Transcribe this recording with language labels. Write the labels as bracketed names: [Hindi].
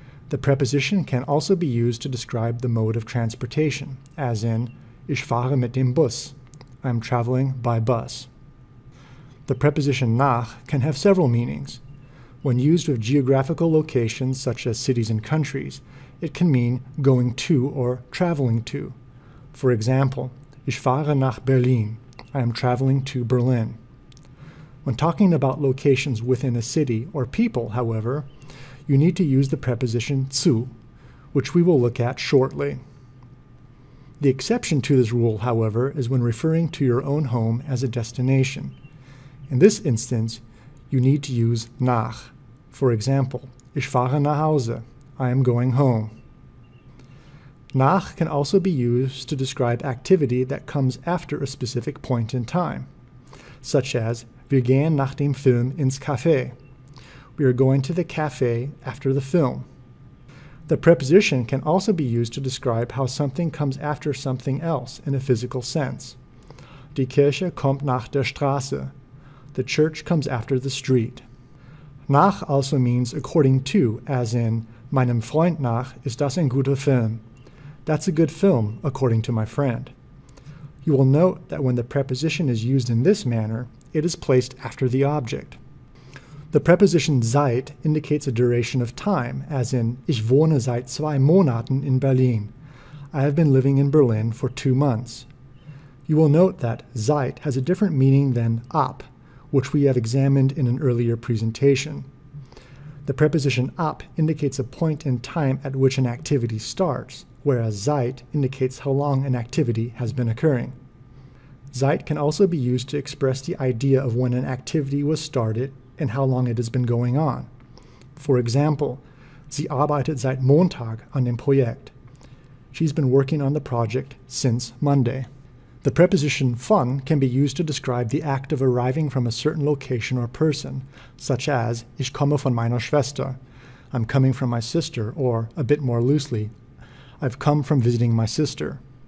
[English] The preposition can also be used to describe the mode of transportation, as in [German] ich fahre mit dem Bus, [English] I am traveling by bus. The preposition nach can have several meanings. When used with geographical locations such as cities and countries, it can mean going to or traveling to. For example, [German] ich fahre nach Berlin, [English] I am traveling to Berlin. When talking about locations within a city or people, however, you need to use the preposition zu, which we will look at shortly. The exception to this rule, however, is when referring to your own home as a destination. In this instance, you need to use nach. For example, [German] ich fahre nach Hause, [English] I am going home. Nach can also be used to describe activity that comes after a specific point in time, such as [German] wir gehen nach dem Film ins Café. [English] We are going to the café after the film. The preposition can also be used to describe how something comes after something else in a physical sense. [German] Die Kirche kommt nach der Straße. [English] The church comes after the street. Nach also means according to, as in [German] meinem Freund nach ist das ein guter Film. [English] That's a good film, according to my friend. You will note that when the preposition is used in this manner, it is placed after the object. The preposition seit indicates a duration of time, as in [German] ich wohne seit 2 Monaten in Berlin. [English] I have been living in Berlin for 2 months. You will note that seit has a different meaning than ab, which we have examined in an earlier presentation. The preposition ab indicates a point in time at which an activity starts, whereas seit indicates how long an activity has been occurring. Seit can also be used to express the idea of when an activity was started and how long it has been going on. For example, [German] sie arbeitet seit Montag an dem Projekt. [English] She's been working on the project since Monday. The preposition von can be used to describe the act of arriving from a certain location or person, such as [German] ich komme von meiner Schwester, [English] I'm coming from my sister, or a bit more loosely, I've come from visiting my sister.